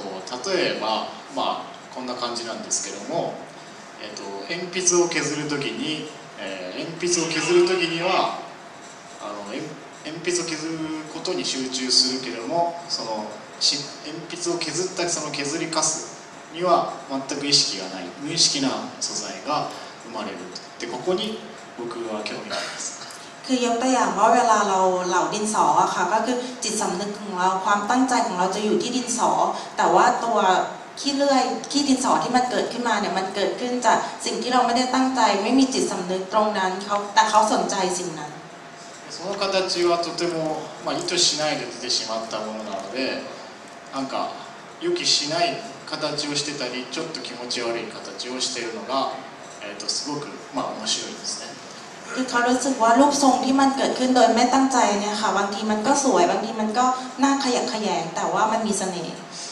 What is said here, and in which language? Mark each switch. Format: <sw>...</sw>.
<ja>例えばまあこんな感じなんですけども鉛筆を削るときに鉛筆を削るときには鉛筆を削ることに集中するけれどもその鉛筆を削ったりその削りカスには全く意識がない無意識な素材が生まれるでここに僕は興味があります。</ja> <th>คือยกตัวอย่างว่าเวลาเราเหล่าดินสออะค่ะก็คือจิตสำนึกของเราความตั้งใจของเราจะอยู่ที่ดินสอแต่ว่าตัวขี้เลื่อยขี้ดินสอที่มันเกิดขึ้นมาเนี่ยมันเกิดขึ้นจากสิ่งที่เราไม่ได้ตั้งใจไม่มีจิตสำนึกตรงนั้นเขาแต่เขาสนใจสิ่งนั้น</th> <ja>その形はとてもまあ意図しないで出てしまったものなのでなんか予期しない形をしてたりちょっと気持ち悪い形をしているのがすごくまあ面白いですね。</ja> <th>คือเขารู้สึกว่ารูปทรงที่มันเกิดขึ้นโดยไม่ตั้งใจเนี่ยค่ะบางทีมันก็สวยบางทีมันก็น่าขยักขยงแต่ว่ามันมีเสน่ห์</th>